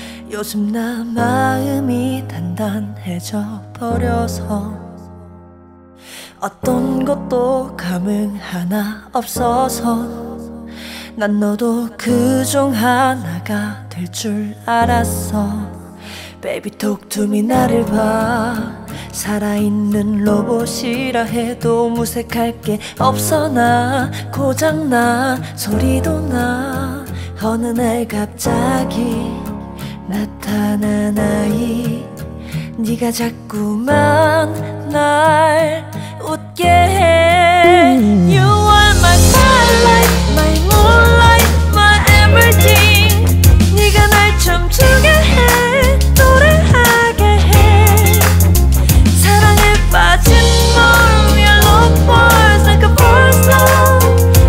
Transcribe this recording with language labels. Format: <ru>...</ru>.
<ko>요즘 나 마음이 단단해져 버려서 어떤 것도 감흥 하나 없어서 난 너도 그중 하나가 될 줄 알았어.</ko> <en>Baby talk to me</en> <ko>나를 봐. 살아있는 로봇이라 해도 무색할 게 없어. 나 고장나 소리도 나 어느 날 갑자기 나타난 아이. 네가 자꾸만 날 웃게 해.</ko> <en>You are my satellite, my moonlight, my everything.</en> <ko>네가 날 춤추게 해, 노래하게 해. 사랑에 빠진 널 위한</ko> <en>love was like a first love.</en>